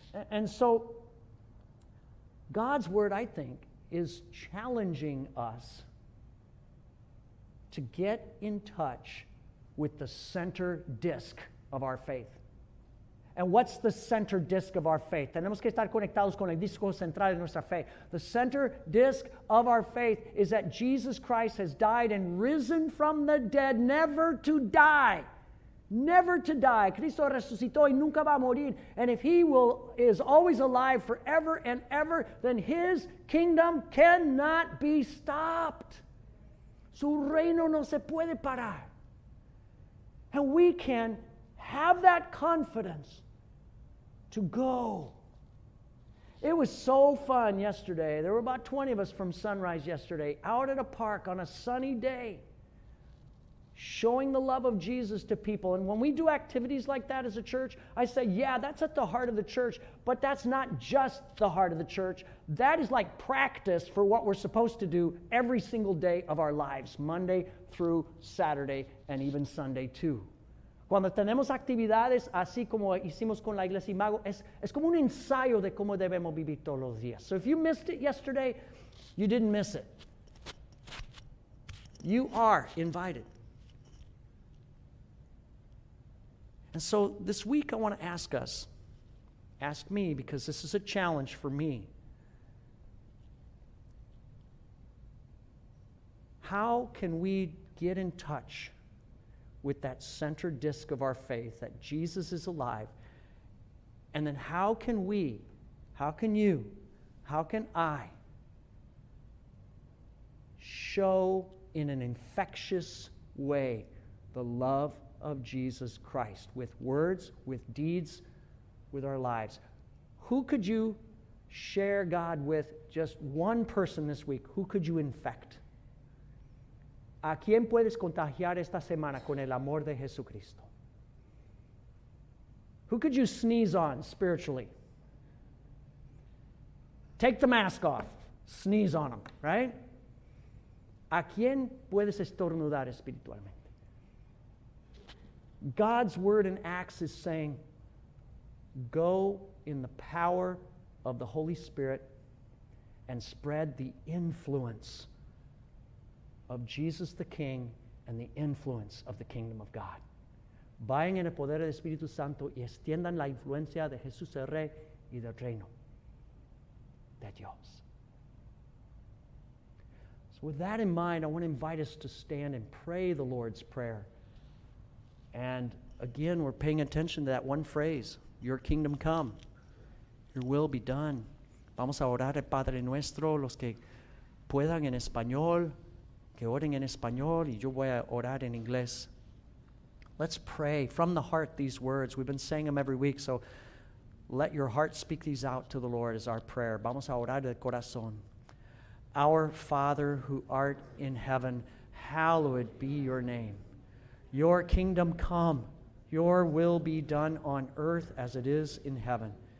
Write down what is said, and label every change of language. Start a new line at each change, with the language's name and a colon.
English: And so, God's word, I think, is challenging us to get in touch with the center disc of our faith. And what's the center disc of our faith?
Spanish: Tenemos que estar conectados con el disco central de nuestra fe.
English: The center disc of our faith is that Jesus Christ has died and risen from the dead, never to die. Never to die.
Spanish: Cristo resucitó y nunca va a morir.
English: And if he is always alive forever and ever, then his kingdom cannot be stopped.
Spanish: Su reino no se puede parar.
English: And we can have that confidence to go. It was so fun yesterday. There were about 20 of us from Sunrise yesterday out at a park on a sunny day, showing the love of Jesus to people. And when we do activities like that as a church, I say, yeah, that's at the heart of the church, but that's not just the heart of the church. That is like practice for what we're supposed to do every single day of our lives, Monday through Saturday, and even Sunday too.
Spanish: Cuando tenemos actividades, así como hicimos con la Iglesia Imago, es como un ensayo de cómo debemos vivir todos los días.
English: So if you missed it yesterday, you didn't miss it. You are invited. And so this week I want to ask me, because this is a challenge for me. How can we get in touch with that center disc of our faith, that Jesus is alive? And then how can I show in an infectious way the love of Jesus Christ with words, with deeds, with our lives? Who could you share God with, just one person this week? Who could you infect?
Spanish: ¿A quién puedes contagiar esta semana con el amor de Jesucristo?
English: Who could you sneeze on spiritually? Take the mask off. Sneeze on them, right?
Spanish: ¿A quién puedes estornudar espiritualmente?
English: God's word in Acts is saying, go in the power of the Holy Spirit and spread the influence of Jesus the King and the influence of the kingdom of God.
Spanish: Vayan en el poder del Espíritu Santo y extiendan la influencia de Jesús el Rey y del reino de Dios.
English: So with that in mind, I want to invite us to stand and pray the Lord's Prayer. And again, we're paying attention to that one phrase, your kingdom come, your will be done.
Spanish: Vamos a orar el Padre Nuestro, los que puedan en español, que oren en español, y yo voy a orar en inglés.
English: Let's pray from the heart these words. We've been saying them every week, so let your heart speak these out to the Lord as our prayer.
Spanish: Vamos a orar del corazón.
English: Our Father who art in heaven, hallowed be your name. Your kingdom come, your will be done on earth as it is in heaven.